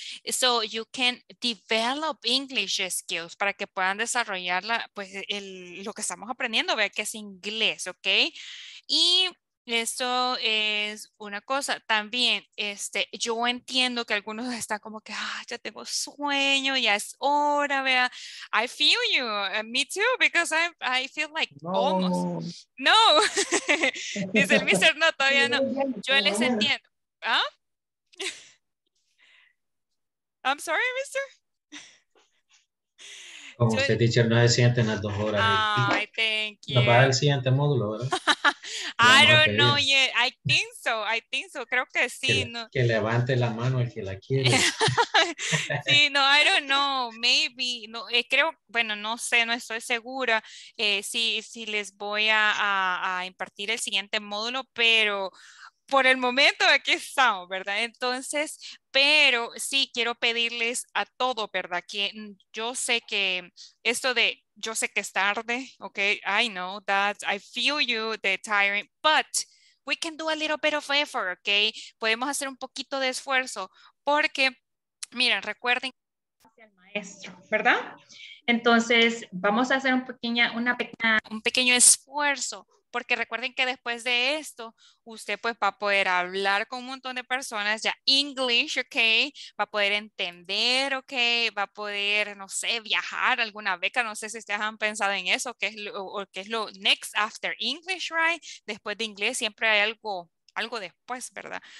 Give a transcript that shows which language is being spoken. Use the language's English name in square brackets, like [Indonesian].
[English] So you can develop English skills [Spanish] para que puedan desarrollar la, pues, el, lo que estamos aprendiendo, ¿ve? Que es inglés, ¿ok? Y... Esto es una cosa. También, este, yo entiendo que algunos están como que, ah, ya tengo sueño, ya es hora, vea. [English] I feel you, me too, because I feel like no, almost. [Spanish] No. Dice el mister, no, todavía no. Yo les entiendo. ¿Ah? [English] I'm sorry, mister. [Spanish] Como usted dice, no se siente en las 2 horas. [English] Ay, thank you. [Spanish] Nos va a dar el siguiente módulo, ¿verdad? [English] I don't know yet. I think so. [Spanish] Creo que sí. Que levante la mano el que la quiere. [English] Sí, no, I don't know. Maybe. [Spanish] No, creo, bueno, no sé, no estoy segura si les voy a impartir el siguiente módulo, pero... Por el momento aquí estamos, ¿verdad? Entonces, pero sí quiero pedirles a todos, ¿verdad? Que yo sé que esto de, yo sé que es tarde, ¿ok? [English] I know that, I feel you, the tiring, but we can do a little bit of effort, [Spanish] ¿ok? Podemos hacer un poquito de esfuerzo porque, miren, recuerden. Hacia el maestro, ¿verdad? Entonces, vamos a hacer un pequeño esfuerzo porque recuerden que después de esto, usted pues va a poder hablar con un montón de personas ya English, ok, va a poder entender, ok, va a poder, no sé, viajar alguna beca, no sé si ustedes han pensado en eso, qué es lo [English] next after English, right, [Spanish] después de inglés siempre hay algo después, ¿verdad?